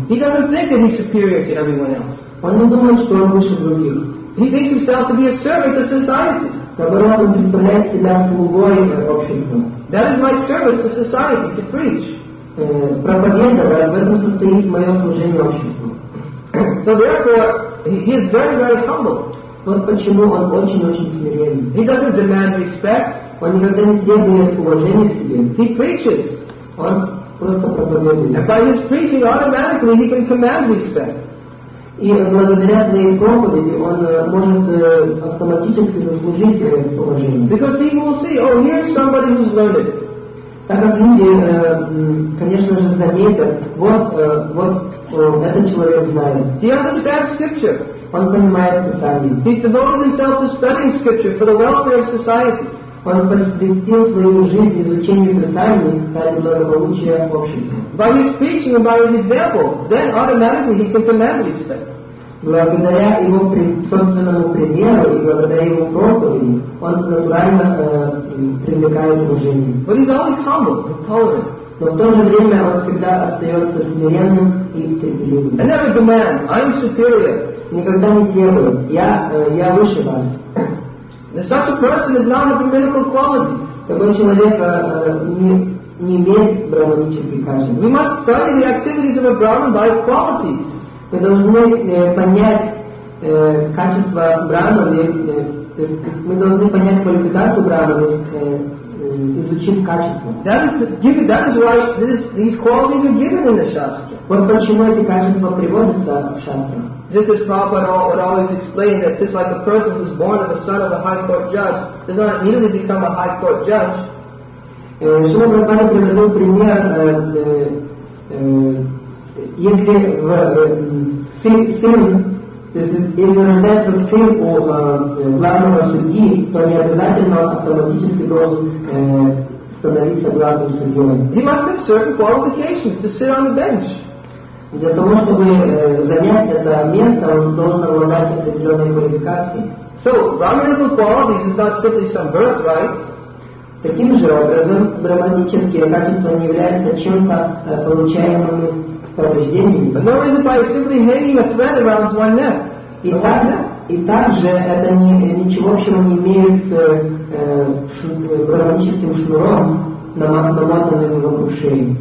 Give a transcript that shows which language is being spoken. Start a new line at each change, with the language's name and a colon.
English: He doesn't think that he's superior to everyone else.
Russian: Он не думает, что он выше других.
English: He thinks himself to be a servant to society.
Russian: Наоборот, он представляет себя слугой общества.
English: That is my service to society, to preach.
Russian: Проповедовать, в этом состоит мое служение обществу.
English: So therefore, he is very, very humble.
Russian: Вот почему он очень-очень смиренный.
English: He doesn't demand respect.
Russian: Он никогда не требует уважения к себе.
English: He preaches.
Russian: Он просто проповедует.
English: And by his preaching, automatically he can command respect.
Russian: И благодаря своей проповеди он может автоматически заслужить уважение.
English: Because people will see, oh, here is somebody who's learned.
Russian: Так как люди, конечно же, заметят, вот этот человек знает.
English: He understands scripture.
Russian: Он понимает Писание.
English: He's devoted himself to studying scripture for the welfare of society.
Russian: Он посвятил свою жизнь изучению Писания ради благополучия общества.
English: By his preaching and by his example, then automatically he can command respect.
Russian: Благодаря его собственному примеру и благодаря его проповеди, он натурально привлекает уважение.
English: But he's always humble and tolerant.
Russian: Но в то же время он всегда остается смиренным и терпеливым.
English: And never demands, I'm superior.
Russian: Никогда не требует, я выше вас.
English: And such a person is not of brahminical qualities.
Russian: Такой человек не имеет брахманических качеств.
English: We must study the activities of a brahman by qualities.
Russian: Мы должны понять качества брахмана Мы должны понять квалификацию брахманы, изучив качество.
English: That is given. That is why these qualities are given in the shastra.
Russian: Вот почему эти качества приводятся в шастре.
English: Just as Prabhupada would always explain that just like a person who is born of the son of a high court judge does not immediately become a high court judge.
Russian: Шрила Прабхупада приводил пример, если сын, если рождается сын у главного судьи, то не обязательно автоматически должен становиться главным судьей.
English: He must have certain qualifications to sit on the bench.
Russian: Для того, чтобы занять это место, он должен обладать определенной квалификацией.
English: So, brahmanical qualities is not simply some birthright.
Russian: Таким же образом, брахманические качества не являются чем-то получаемым по рождению.
English: Nor is it by simply hanging a thread around one neck.
Russian: И также это ничего общего не имеет с брахманическим шнуром, намотанным вокруг шеи.